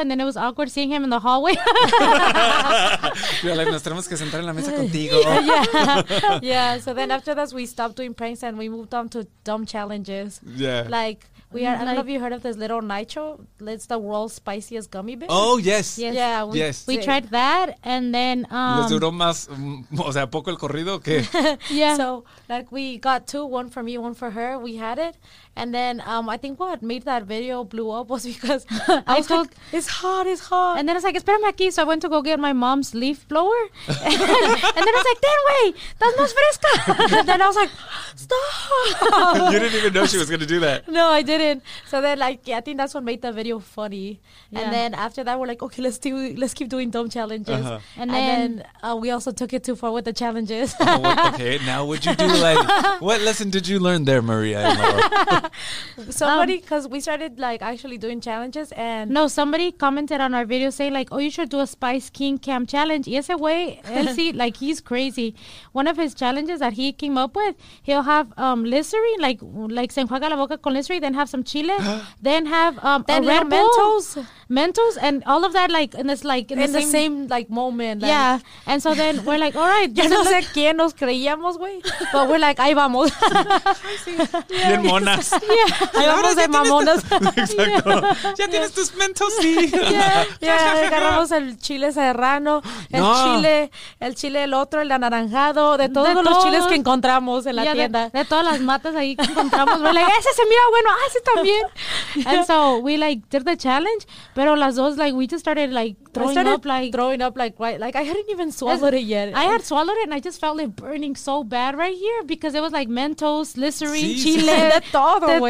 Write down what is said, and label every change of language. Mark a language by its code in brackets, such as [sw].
[en] And then it was awkward seeing him in the hallway. Yeah, like, [es] nos tenemos que sentar en la mesa contigo. [en] Yeah. So then after that, we stopped doing pranks and we moved on to dumb challenges. Yeah. Like, I don't know if you heard of this little Nitro. It's the world's spiciest gummy bear. Oh, yes. We tried that and then... [es] ¿Les duró más, o sea, poco el corrido o qué? [en] Yeah. So, like, we got two, one for me, one for her. We had it. And then I think what made that video blew up was because I was like, it's hot. And then I was like, [es] espérame aquí. [en] So I went to go get my mom's leaf blower. And then I was like, then wait, that's [es] más fresca. [en] And then I was like, stop. You didn't even know she was going to do that. No, I didn't. So then, like, I think that's what made the video funny. Yeah. And then after that, we're like, okay, let's keep doing dumb challenges. Uh-huh. And then we also took it too far with the challenges. Now what'd you do? Like, what lesson did you learn there, Maria? Somebody, because we started like actually doing challenges and... No, somebody commented on our video saying like, oh, you should do a Spice King Cam challenge. [es] Y ese güey, él sí, [en] like he's crazy. One of his challenges that he came up with, he'll have Listerine, like [es] se enjuaga la boca con Listerine, [en] then have some chile, then have then a Red Bull. Mentos. mentos and all of that, like, in this, like, in the same, like, moment. Like, yeah. And so then we're like, all right. [es] Ya no sé quién nos creíamos, güey. [en] But we're like, [es] ahí vamos. Sí. Bien monas. Yeah. Ahí vamos de mamonas. Exacto. Yeah. Ya tienes tus mentos, sí. [en] Yeah. [es] Agarramos el chile serrano, el chile, el otro, el anaranjado, de todos los chiles que encontramos en la tienda. De todas las matas ahí que encontramos. [en] We're like, [es] ese se mira bueno, ese también. [en] And so we, like, did the challenge, [es] pero las dos, [en] like, we just started, like, throwing up, like, I hadn't even swallowed it yet. I had swallowed it, and I just felt it burning so bad right here, because it was, like, mentos, Listerine, sí, chile, [es] de todo, güey.